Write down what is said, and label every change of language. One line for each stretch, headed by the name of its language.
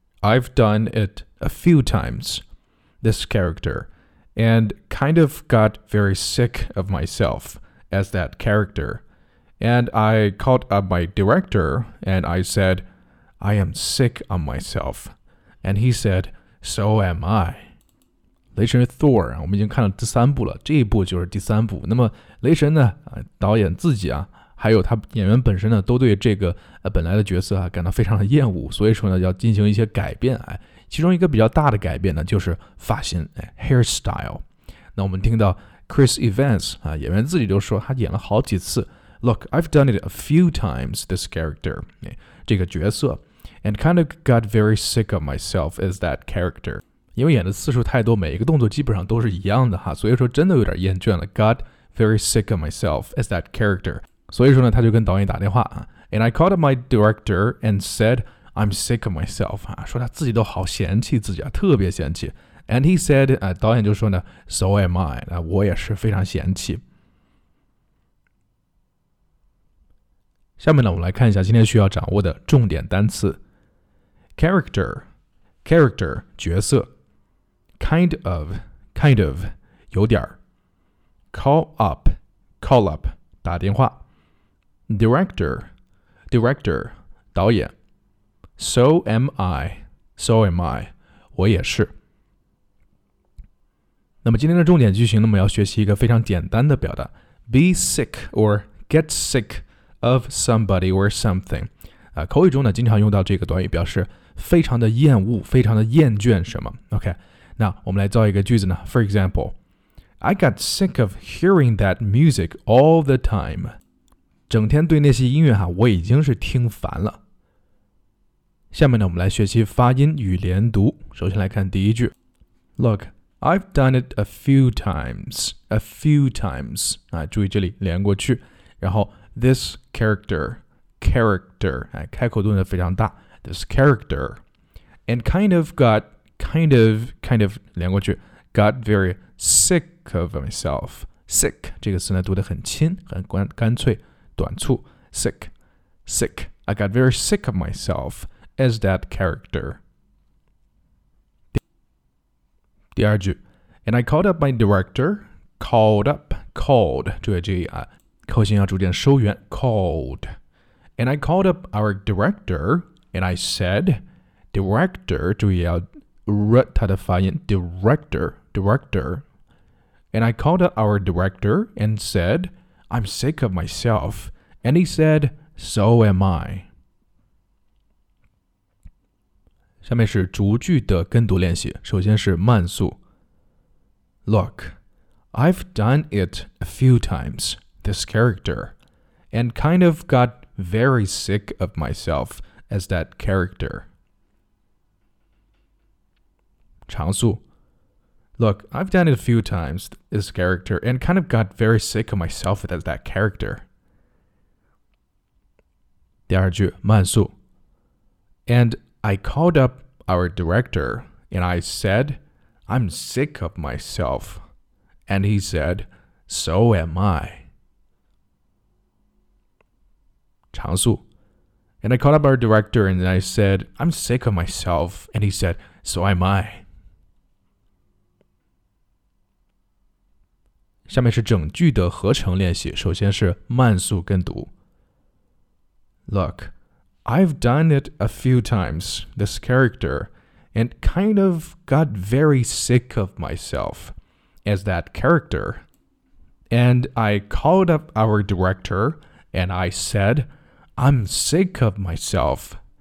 English: I've done it a few times, this character, and kind of got very sick of myself as that character. And I called up my director and I said, I am sick of myself. And he said,So am I.
Chinese: 雷神 Thor， 我们已经看了第三部了，这一部就是第三部。那么雷神呢，导演自己啊，还有他演员本身呢，都对这个本来的角色啊感到非常的厌恶，所以说呢要进行一些改变。哎，其中一个比较大的改变呢就是发型，哎 ，hairstyle。那我们听到 Chris Evans 啊，演员自己都说他演了好几次。
English: Look, I've done it a few times. This character，
Chinese: 哎，这个角色。
English: And kind of got very sick of myself as that character.
Chinese: 因为演的次数太多，每一个动作基本上都是一样的哈，所以说真的有点厌倦了。
English: Got very sick of myself as that character.
Chinese: 所以说呢，他就跟导演打电话啊。
English: And I called my director and said, I'm sick of myself.
Chinese: 啊，说他自己都好嫌弃自己啊，特别嫌弃。
English: And he said,
Chinese: 啊，导演就说呢 ，
English: So am I.
Chinese: 啊，我也是非常嫌弃。下面呢，我们来看一下今天需要掌握的重点单词。 Character, 角色。Kind of, 有点儿。 Call up, 打电话。Director, 导演。 So am I, 我也是。那么今天的重点句型呢，我们要学习一个非常简单的表达。
English: Be sick or get sick. Of somebody or something，
Chinese: 口语中呢经常用到这个短语，表示非常的厌恶，非常的厌倦什么。 OK， 那我们来造一个句子呢。
English: For example, I got sick of hearing that music all the time 。
Chinese: 整天对那些音乐哈，我已经是听烦了。下面呢，我们来学习发音与连读。首先来看第一句 ，Look,
English: I've done it a few times。
Chinese: 啊，注意这里连过去，然后。
English: This character,
Chinese: 哎，开口顿的非常大。
English: This character, and kind of
Chinese: 连过去
English: ，got very sick of myself.
Chinese: Sick 这个词呢读得很轻，很干脆，短促。
English: Sick, I got very sick of myself as that character.
Chinese: 第二句
English: ，and I called up my director. Called,
Chinese: 注意这里啊。口型要逐渐收圆 called.
English: And I called up our director and I said, Director,
Chinese: 注意要
English: r
Chinese: 它的发音
English: director. And I called up our director and said, I'm sick of myself. And he said, So am I.
Chinese: 下面是逐句的跟读练习，首先是慢速。
English: Look, I've done it a few times. This character, and kind of got very sick of myself as that character.
Chinese: 长速
English: Look, I've done it a few times, this character, and kind of got very sick of myself as that character.
Chinese: 第二句慢速
English: And I called up our director, and I said, I'm sick of myself. And he said, so am I.
Chinese: 长速
English: And I called up our director and I said, I'm sick of myself. And he said, so am I.
Chinese: 下面是整句的合成练习，首先是慢速跟读。
English: Look, I've done it a few times, this character, and kind of got very sick of myself as that character. And I called up our director and I said,I'm sick of myself.